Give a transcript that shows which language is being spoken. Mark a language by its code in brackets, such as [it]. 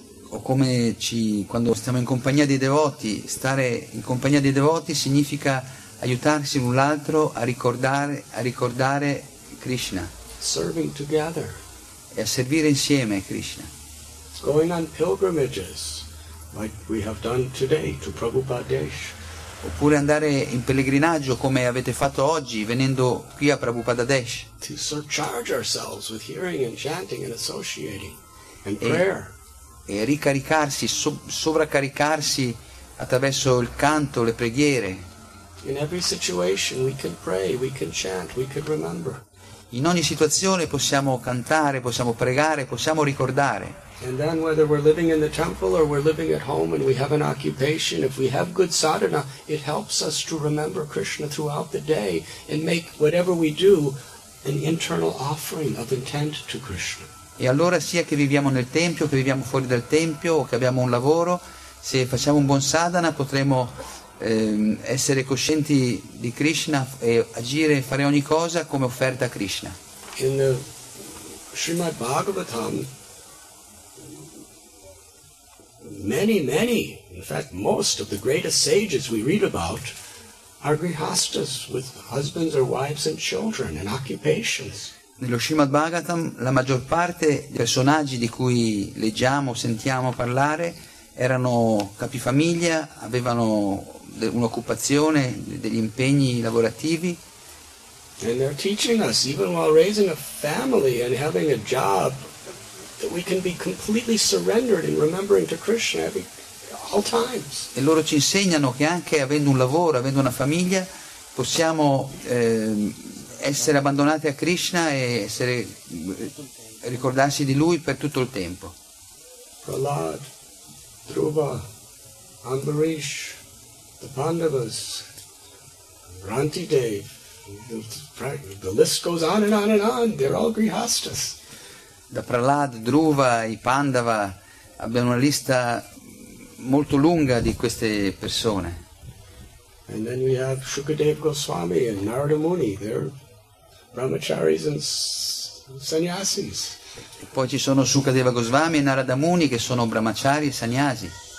[it] O come ci, quando stiamo in compagnia dei devoti, stare in compagnia dei devoti significa aiutarsi l'un l'altro a ricordare Krishna. [en] Serving together. [it] E a servire insieme Krishna. [en] Going on pilgrimages, like we have done today to Prabhupada Desh. [it] Oppure andare in pellegrinaggio come avete fatto oggi venendo qui a Prabhupada Desh. [en] To surcharge ourselves with hearing and chanting and associating and prayer. [it] E ricaricarsi, sovraccaricarsi attraverso il canto, le preghiere. [en] In every situation we can pray, we can chant, we can remember. [it] In ogni situazione possiamo cantare, possiamo pregare, possiamo ricordare. [en] And then whether we're living in the temple or we're living at home and we have an occupation, if we have good sadhana, it helps us to remember Krishna throughout the day and make whatever we do an internal offering of intent to Krishna. [it] E allora sia che viviamo nel tempio, che viviamo fuori dal tempio o che abbiamo un lavoro, se facciamo un buon sadhana potremo essere coscienti di Krishna e agire e fare ogni cosa come offerta a Krishna. [en] In the Srimad Bhagavatam, many, in fact most of the greatest sages we read about are grihasthas with husbands or wives and children and occupations. [it] Nello Srimad Bhagavatam la maggior parte dei personaggi di cui leggiamo, sentiamo parlare erano capifamiglia, avevano un'occupazione, degli impegni lavorativi. [en] And they're teaching us, even while raising a family and having a job, that we can be completely surrendered in remembering to Krishna all times. [it] E loro ci insegnano che anche avendo un lavoro, avendo una famiglia, possiamo essere abbandonati a Krishna e essere ricordarsi di lui per tutto il tempo. [en] Prahlad, Dhruva, Ambarish, the Pandavas, Rantidev, the list goes on and on and on. They're all grihasthas. [it] Da Prahlad, Dhruva, i Pandava, abbiamo una lista molto lunga di queste persone. [en] And then we have Shukadeva Goswami and Narada Muni, they're brahmacharis and sannyasis. [it] E poi ci sono Shukadeva Goswami e Narada Muni che sono brahmachari e sannyasi.